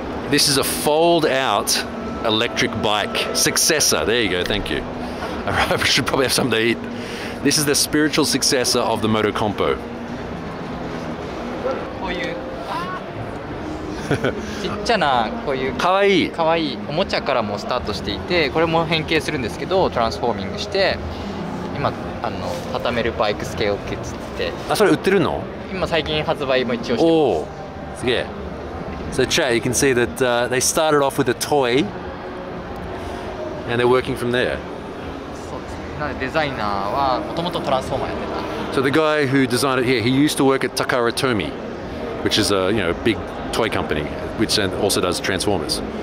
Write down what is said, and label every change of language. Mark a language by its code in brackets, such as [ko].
[en] This is a fold out electric bike successor. There you go, thank you. I should probably have something to eat. This is the spiritual successor of the Moto Compo. [ja] ちっちゃなこういうかわいい、かわいいおもちゃからもスタートしていて、これも変形するんですけど、トランスフォーミングして今あの畳めるバイクスケールを作って。あ、それ売ってるの？今最近発売も一応してます。おお、すげえ。So [en] chat, you can see that they started off with a toy and they're working from there. [ja] そうですね。なんでデザイナーはもともとトランスフォーマーやってた。 [en] So the guy who designed it here, he used to work at Takara Tomy, which is a, you know, a big toy company, which also does Transformers.